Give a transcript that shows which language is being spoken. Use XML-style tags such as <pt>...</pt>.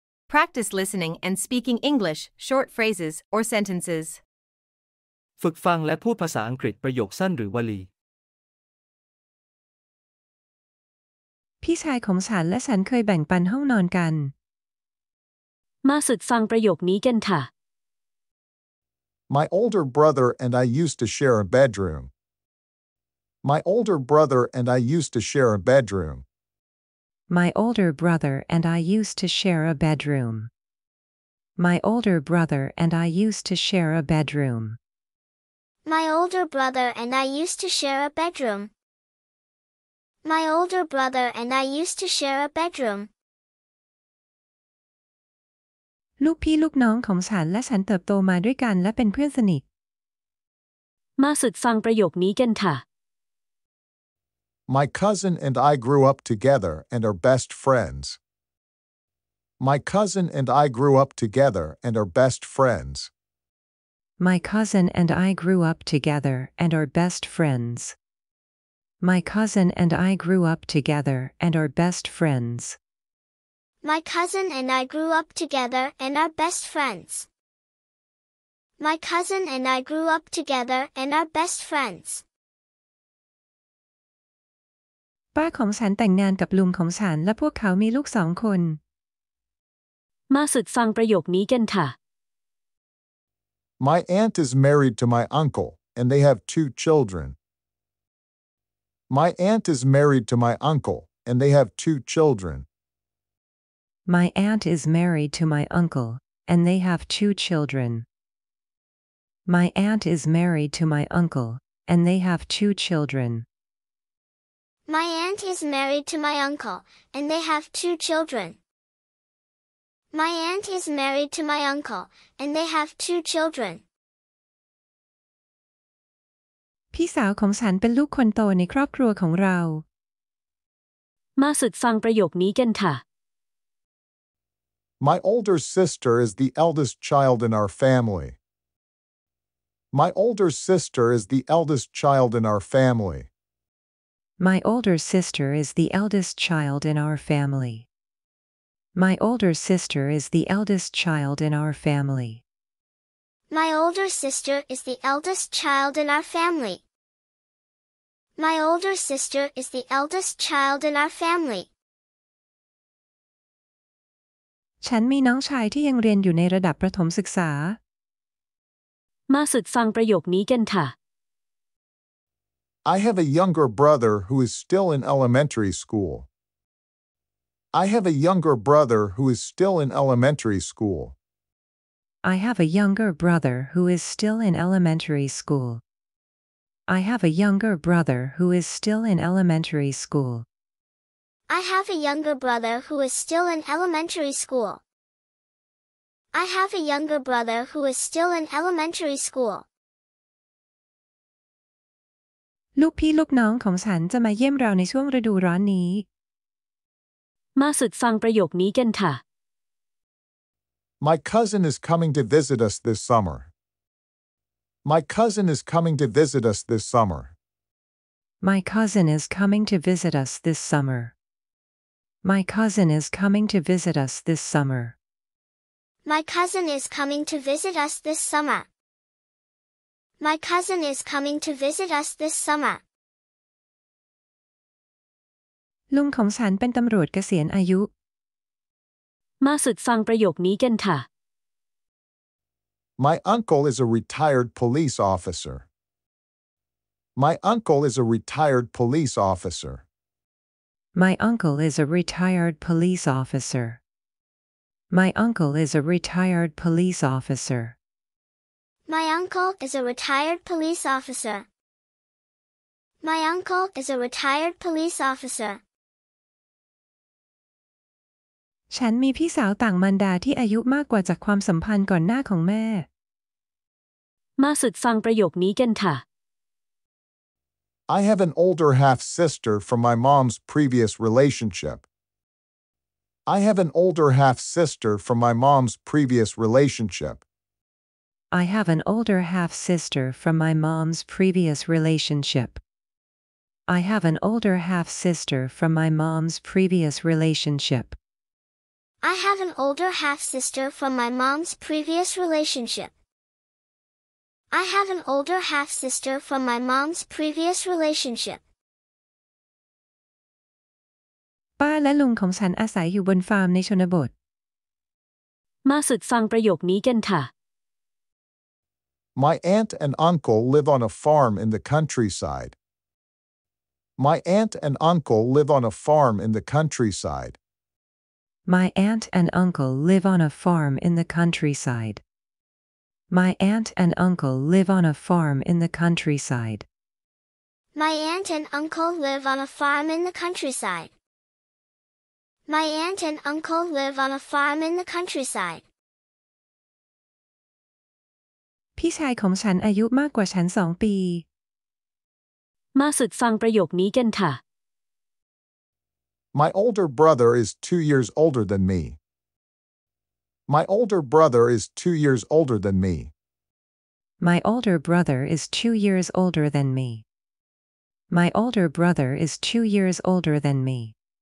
<en>Practice listening and speaking English short phrases or sentences.</en> <th>ฝึกฟังและพูดภาษาอังกฤษประโยคสั้นหรือวลี พี่ชายของฉันและฉันเคยแบ่งปันห้องนอนกัน มาฝึกฟังประโยคนี้กันค่ะ</th> <en>My older brother and I used to share a bedroom. My older brother and I used to share a bedroom. My older brother and I used to share a bedroom. My older brother and I used to share a bedroom. My older brother and I used to share a bedroom. My older brother and I used to share a bedroom.</en> <th>ลูกพี่ลูกน้องของฉันและฉันเติบโตมาด้วยกันและเป็นเพื่อนสนิท มาฝึกฟังประโยคนี้กันค่ะ</th> <en>My cousin and I grew up together and are best friends. My cousin and I grew up together and are best friends. My cousin and I grew up together and are best friends. My cousin and I grew up together and are best friends. My cousin and I grew up together and are best friends. My cousin and I grew up together and are best friends.</en> <th>ป้าของฉันแต่งงานกับลุงของฉันและพวกเขามีลูกสองคน มาฝึกฟังประโยคนี้กันค่ะ</th> <en>My aunt is married to my uncle and they have two children. My aunt is married to my uncle and they have two children. My aunt is married to my uncle and they have two children. My aunt is married to my uncle and they have two children. My aunt is married to my uncle, and they have two children. My aunt is married to my uncle, and they have two children.</en> <th>พี่สาวของฉันเป็นลูกคนโตในครอบครัวของเราม าฝึกฟังประโยคนี้กันค่ะ</th> <en>My older sister is the eldest child in our family. My older sister is the eldest child in our family. My older sister is the eldest child in our family. My older sister is the eldest child in our family. My older sister is the eldest child in our family. My older sister is the eldest child in our family.</en> <th>ฉันมีน้องชายที่ยังเรียนอยู่ในระดับประถมศึกษาม าฝึกฟังประโยคนี้กันค่ะ</th> <en>I have a younger brother who is still in elementary school. I have a younger brother who is still in elementary school. I have a younger brother who is still in elementary school. I have a younger brother who is still in elementary school. I have a younger brother who is still in elementary school. I have a younger brother who is still in elementary school.</en> <th>ลูกพี่ลูกน้องของฉันจะมาเยี่ยมเราในช่วงฤดูร้อนนี้มาฝึกฟังประโยคนี้กันค่ะ</th> <en>My cousin is coming to visit us this summer. My cousin is coming to visit us this summer. My cousin is coming to visit us this summer. My cousin is coming to visit us this summer. My cousin is coming to visit us this summer. My cousin is coming to visit us this summer.</en> <th>ลุงของฉันเป็นตำรวจเกษียณอายุ มาฝึกฟังประโยคนี้กันค่ะ</th> <en>My uncle is a retired police officer. My uncle is a retired police officer. My uncle is a retired police officer. My uncle is a retired police officer. My uncle is a retired police officer. My uncle is a retired police officer.</en> <th>ฉันมีพี่สาวต่างมารดาที่อายุมากกว่าจากความสัมพันธ์ก่อนหน้าของแม่มาฝึกฟังประโยคนี้กันค่ะ</th> <en>I have an older half sister from my mom's previous relationship. I have an older half sister from my mom's previous relationship. I have an older half sister from my mom's previous relationship. I have an older half sister from my mom's previous relationship. I have an older half-sister from my mom's previous relationship. I have an older half-sister from my mom's previous relationship.</en> <th>ป้าและลุงของฉันอาศัยอยู่บนฟาร์มในชนบท มาฝึกฟังประโยคนี้กันค่ะ</th> <en>My aunt and uncle live on a farm in the countryside. My aunt and uncle live on a farm in the countryside. My aunt and uncle live on a farm in the countryside. My aunt and uncle live on a farm in the countryside. My aunt and uncle live on a farm in the countryside. My aunt and uncle live on a farm in the countryside.</en> <th>พี่ชายของฉันอายุมากกว่าฉัน2ปี มาฝึกฟังประโยคนี้กันค่ะ</th> <en>My older brother is 2 years older than me. My older brother is 2 years older than me. My older brother is 2 years older than me. My older brother is 2 years older than me.</en>